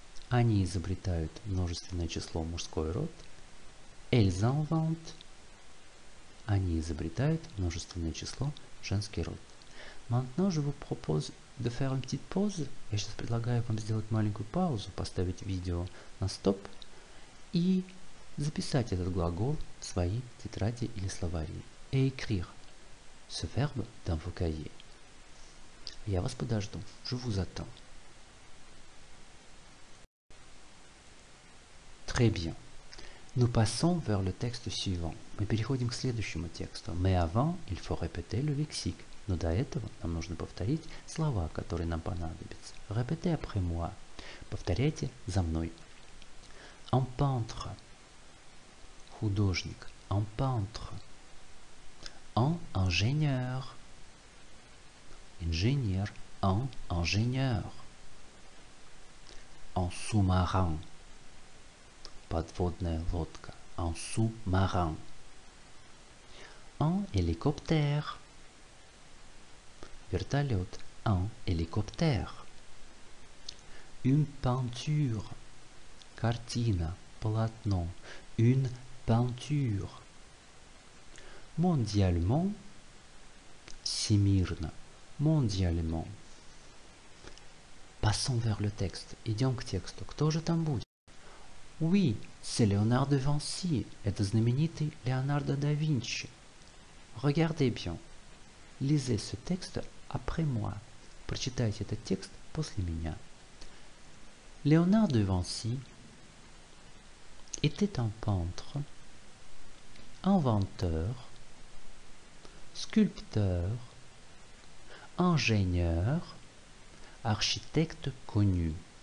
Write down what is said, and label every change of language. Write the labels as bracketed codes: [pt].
[ru] Они изобретают множественное число мужской род. [fr] Elles inventent. [ru] Они изобретают множественное число женский род. [fr] Maintenant, je vous propose de faire une petite pause. [ru] Я сейчас предлагаю вам сделать маленькую паузу, поставить видео на стоп и записать этот глагол в свои тетради или словари. [fr] Et écrire ce verbe dans vos cahiers. [ru] Я вас подожду. [fr] Je vous attends. Très bien. Nous passons vers le texte suivant. [ru] Мы переходим к следующему тексту. [fr] Mais avant, il faut répéter le lexique. [ru] Но до этого нам нужно повторить слова, которые нам понадобятся. [fr] Répétez après moi. [ru] Повторяйте за мной. [fr] Un peintre. Художник. Un peintre. Un ingénieur. Ingénieur. Un ingénieur. Un sous-marin. Подводная лодка. Un sous-marin. Un hélicoptère. Вертолет. Un hélicoptère. Une peinture. Картина. Полотно. Une peinture. Mondialement. Всемирно. Mondialement. Passons vers le texte. [ru] Идем к тексту. Кто же там будет? [fr] Oui, c'est Léonard de Vinci. [ru] Это знаменитый Леонардо да Винчи. [fr] Regardez bien. Lisez ce texte après moi. [ru] Прочитайте этот текст после меня. [fr] Léonard de Vinci était un peintre, inventeur, sculpteur, ingénieur, architecte connu.